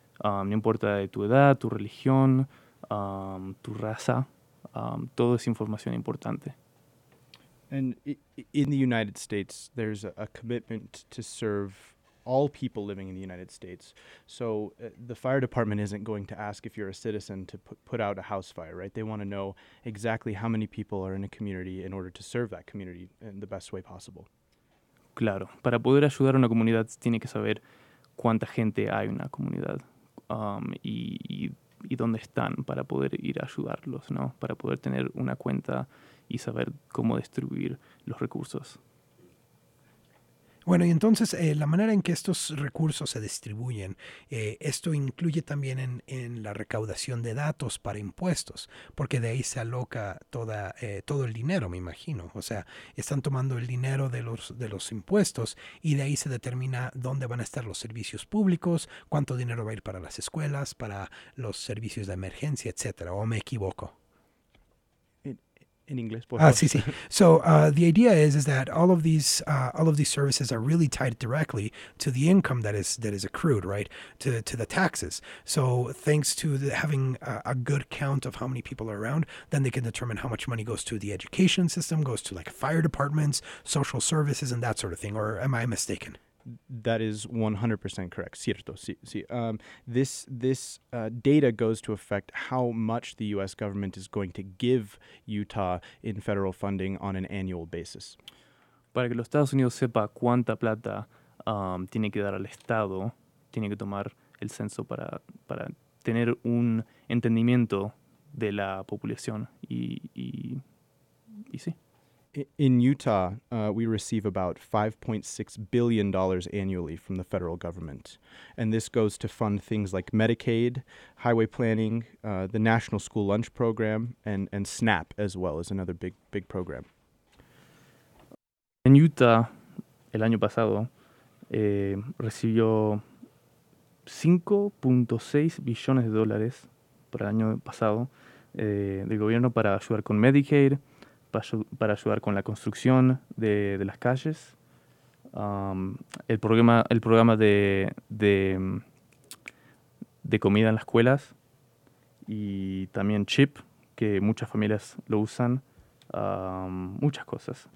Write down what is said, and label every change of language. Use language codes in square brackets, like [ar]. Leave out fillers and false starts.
[es] No importa de tu edad, tu religión, tu raza. Todo es información importante. [en] And in the United States, there's a commitment to serve all people living in the United States. So the fire department isn't going to ask if you're a citizen to put out a house fire, right? They want to know exactly how many people are in a community in order to serve that community in the best way possible. [es] Claro. Para poder ayudar a una comunidad, tiene que saber cuánta gente hay en una comunidad. Y dónde están para poder ir a ayudarlos, ¿no? Para poder tener una cuenta y saber cómo distribuir los recursos. Bueno, y entonces la manera en que estos recursos se distribuyen, esto incluye también en la recaudación de datos para impuestos, porque de ahí se aloca todo el dinero, me imagino. O sea, están tomando el dinero de los impuestos y de ahí se determina dónde van a estar los servicios públicos, cuánto dinero va a ir para las escuelas, para los servicios de emergencia, etcétera. ¿O me equivoco? [en] In English, [es] por favor. Sí. [en] So the idea is that all of these services are really tied directly to the income that is accrued, right? To the taxes. So thanks to having a good count of how many people are around, then they can determine how much money goes to the education system, goes to like fire departments, social services, and that sort of thing. Or am I mistaken? That is 100% correct. [es] Cierto. Sí. [en] This data goes to affect how much the U.S. government is going to give Utah in federal funding on an annual basis. [es] Para que los Estados Unidos sepa cuánta plata tiene que dar al estado, tiene que tomar el censo para tener un entendimiento de la población y sí. [en] In Utah, we receive about $5.6 billion annually from the federal government. And this goes to fund things like Medicaid, highway planning, the National School Lunch Program, and SNAP as well is another big program. [es] En Utah, el año pasado, recibió 5.6 billones de dólares por el año pasado del gobierno para ayudar con Medicaid, para ayudar con la construcción de las calles, el programa de comida en las escuelas y también CHIP, que muchas familias lo usan, muchas cosas.